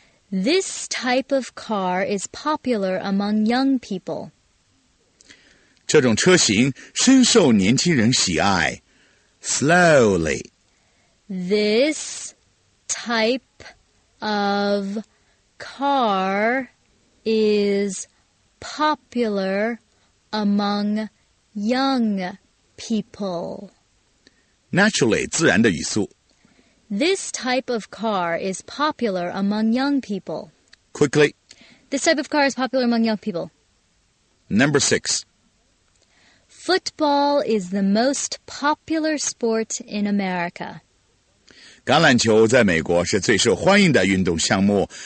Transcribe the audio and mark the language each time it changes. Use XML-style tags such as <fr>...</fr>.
<en>This type of car is popular among young people.</en> <zh>这种车型深受年轻人喜爱。</zh> <en>Slowly. This type of car is popular among young people. Naturally,</en> <zh>自然的语速。</zh> <en>This type of car is popular among young people. Quickly. This type of car is popular among young people. Number six. Football is the most popular sport in America.</en> <zh>橄榄球在美国是最受欢迎的运动项目。</zh>